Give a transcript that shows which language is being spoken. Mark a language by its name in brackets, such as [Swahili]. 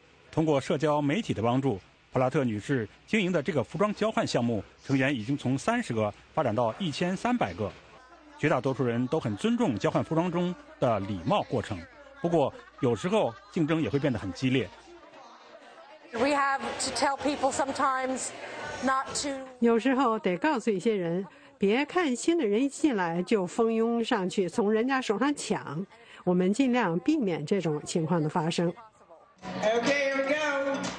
[Chinese] 通过社交媒体的帮助，普拉特女士经营的这个服装交换项目成员已经从30个发展到1300个。绝大多数人都很尊重交换服装中的礼貌过程，不过有时候竞争也会变得很激烈。 [English] We have to tell people sometimes not to. [Chinese] 有时候得告诉一些人，别看新的人一进来就蜂拥上去从人家手上抢，我们尽量避免这种情况的发生。 [English] OK, here we go.